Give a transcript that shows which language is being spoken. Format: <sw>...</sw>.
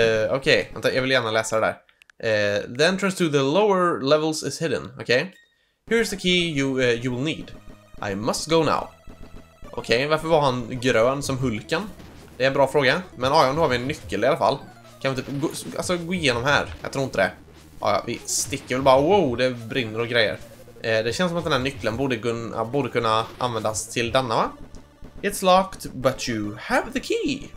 <sv>Okej, vänta, jag vill gärna läsa det där.</sv> <en>The entrance to the lower levels is hidden, okej. Okay. Here's the key you will need. I must go now.</en> <sv>Okej, okay, varför var han grön som Hulken? Det är en bra fråga. Men ja, nu har vi en nyckel i alla fall. Kan vi typ gå igenom här? Jag tror inte det. Ja, vi sticker väl bara, wow, det brinner och grejer. Det känns som att den här nyckeln borde kunna användas till denna, va?</sv> <en>It's locked, but you have the key.</en>